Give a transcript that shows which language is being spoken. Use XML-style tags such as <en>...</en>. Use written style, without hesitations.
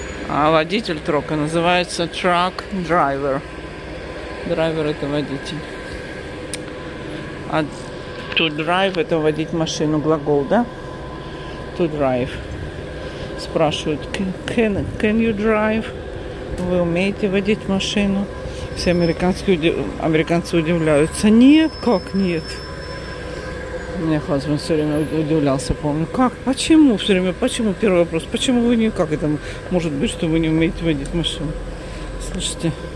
<ru>А водитель трока называется truck driver. Драйвер – это водитель. А to drive – это водить машину, глагол, да?</ru> <en>To drive.</en> <ru>Спрашивают,</ru> <en>can you drive?</en> <ru>Вы умеете водить машину? Все американцы удивляются. Нет, как нет? Мне Хазман все время удивлялся, помню. Как? Почему? Все время, почему? Первый вопрос. Почему вы никак? Это может быть, что вы не умеете водить машину. Слушайте.</ru>